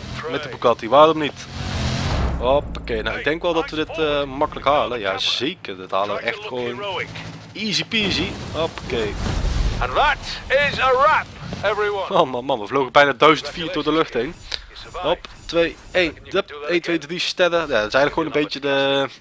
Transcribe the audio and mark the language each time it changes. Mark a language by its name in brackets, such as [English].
[Dutch] Met de Bugatti, waarom niet? Hoppakee, nou ik denk wel dat we dit makkelijk halen. Ja zeker, dat halen we echt gewoon [English] Easy peasy. Hoppakee. And that is a wrap, everyone. [Dutch] Oh man, man, we vlogen bijna 1004 door de lucht heen. Hop, 2, 1, 1, 2, 3 sterren. Ja, dat is eigenlijk gewoon een beetje de.